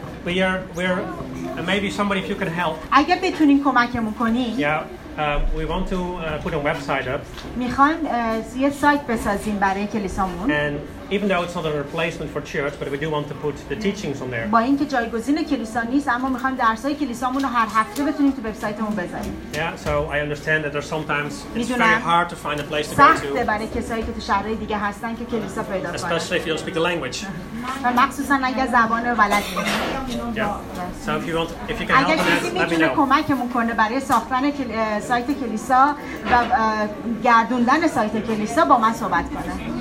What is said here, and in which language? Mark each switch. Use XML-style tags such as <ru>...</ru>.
<en>We are, and maybe somebody, if you can help. I get between in komakem ukoni. Yeah, we want to put a website up.</en> <fa>میخوایم یه سایت بسازیم برای کلیسامون.</fa> <en>And even though it's not a replacement for church, but we do want to put the teachings on there.</en> <fa>با اینکه جایگزین کلیسا نیست، اما میخوایم درسای کلیسامون رو هر هفته بتونیم تو وبسایتمون بذاریم.</fa> <en>Yeah, so I understand that there's sometimes it's very hard to find a place to go to.</en> <fa>سخته برای کسایی که تو شهرهای دیگه هستن که کلیسا پیدا کنن.</fa> <en>Especially if you don't speak the language.</en> <fa>و مخصوصا اگه زبان بلد نیستی.</fa> <en>Yeah. So if you can</en> <fa>اگر کسی میتونه کمکمون کنه برای ساختن سایت کلیسا و گردوندن سایت کلیسا با من صحبت کنه.</fa>